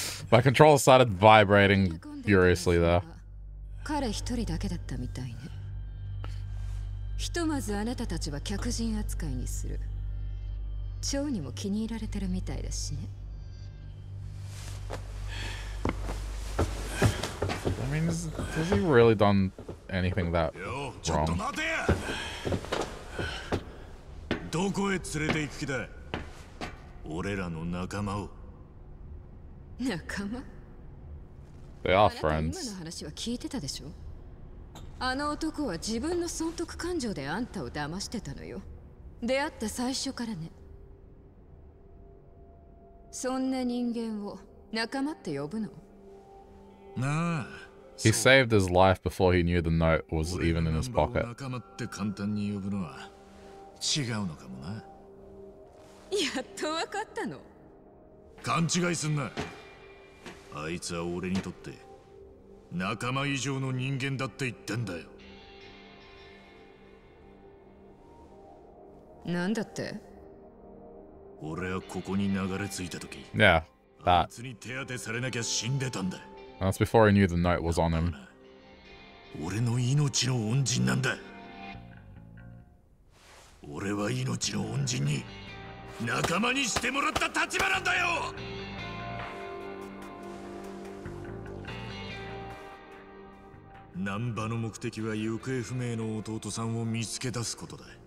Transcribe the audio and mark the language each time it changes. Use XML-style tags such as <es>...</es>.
<en>My controller started vibrating furiously there.</en> <ja>彼一人だけだったみたいね。ひとまずあなたたちは客人扱いにする。蝶にも気に入られてるみたいだしね。</ja> <en>I mean, has he really done anything that wrong?</en> <ja>ちょっと待てや。どこへ連れて行く気だ。俺らの仲間を。仲間。</ja> <en>They are friends.</en> <ja>今の話は聞いてたでしょ。あの男は自分の損得感情であんたを騙してたのよ。出会った最初からね。そんな人間を仲間って呼ぶの。なあ。</ja> <en>He saved his life before he knew the note was even in his pocket.</en> <ja>仲間って簡単に呼ぶのは違うのかもな。やっとわかったの。勘違いすんな。あいつは俺にとって仲間以上の人間だって言ってんだよ。なんだって。俺はここに流れ着いた時、</ja> <en>yeah,</en> <ja>あいつに手当てされなきゃ死んでたんだ。</ja> <en>That's before he knew the note was on him.</en> <ja>俺の命の恩人なんだ。俺は命の恩人に仲間にしてもらった立場なんだよ。ナンバの目的は行方不明の弟さんを見つけ出すことだ。</ja>